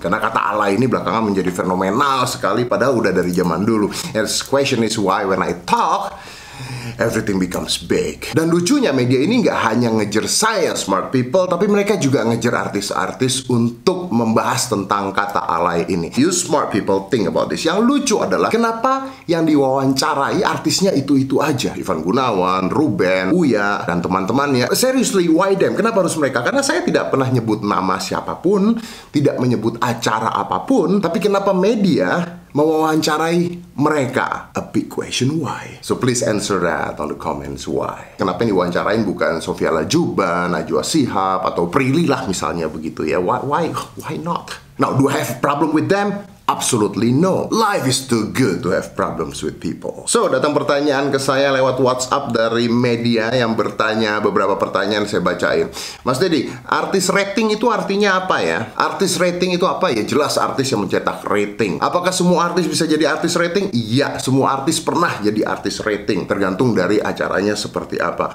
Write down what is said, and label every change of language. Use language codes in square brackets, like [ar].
[id] Karena kata alay ini belakangan menjadi fenomenal sekali, padahal udah dari zaman dulu. [en] And the question is why when I talk, everything becomes big. [id] Dan lucunya media ini gak hanya ngejar saya, [en] smart people, [id] tapi mereka juga ngejar artis-artis untuk membahas tentang kata alay ini. [en] You smart people think about this. [id] Yang lucu adalah kenapa yang diwawancarai artisnya itu-itu aja. Ivan Gunawan, Ruben, Uya, dan teman-temannya. [en] Seriously, why them? [id] Kenapa harus mereka? Karena saya tidak pernah nyebut nama siapapun, tidak menyebut acara apapun, tapi kenapa media mewawancarai mereka? [en] A big question, why? So please answer that on the comments, why? [id] Kenapa ini wawancarain bukan Sofia Lajuba, Najwa Shihab, atau Prilly lah misalnya begitu ya? [en] Why not? Now, do I have a problem with them? Absolutely no. Life is too good to have problems with people. [id] So, datang pertanyaan ke saya lewat WhatsApp dari media yang bertanya beberapa pertanyaan, saya bacain. Mas Deddy, artis rating itu artinya apa ya? Artis rating itu apa ya? Jelas artis yang mencetak rating. Apakah semua artis bisa jadi artis rating? Iya, semua artis pernah jadi artis rating. Tergantung dari acaranya seperti apa.